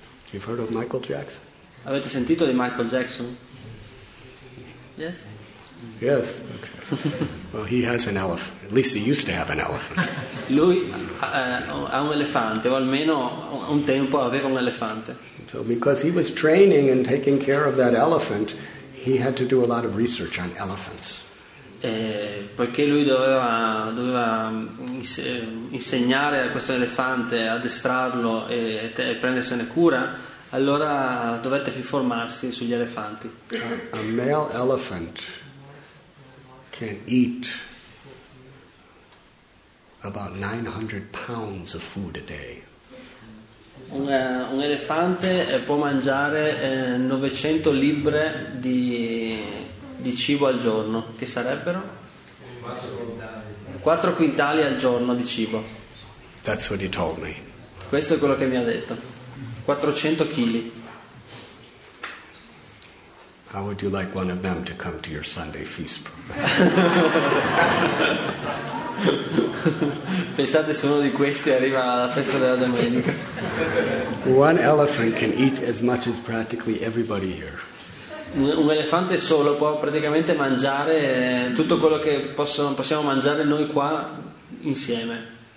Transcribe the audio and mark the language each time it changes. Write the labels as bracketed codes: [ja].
[en] You've heard of Michael Jackson? [it] Avete sentito di Michael Jackson? [en] Yes? Yes, okay. Well, he has an elephant. At least he used to have an elephant. [it] Lui ha un elefante, o almeno un tempo aveva un elefante. [en] So because he was training and taking care of that elephant, he had to do a lot of research on elephants. [it] Poiché lui doveva insegnare a questo elefante, addestrarlo e prendersene cura, allora dovette informarsi sugli elefanti. [en] A male elephant can eat about 900 pounds of food a day. [it] Un elefante può mangiare 900 libbre di cibo al giorno, che sarebbero 4 quintali al giorno di cibo. [en] That's what he told me. [it] Questo è quello che mi ha detto. 400 kg. [en] How would you like one of them to come to your Sunday feast program? [it] Pensate se uno di questi arriva alla festa della domenica. [en] One elephant can eat as much as practically everybody here. [it] Un elefante solo può praticamente mangiare tutto quello che possiamo mangiare noi qua insieme.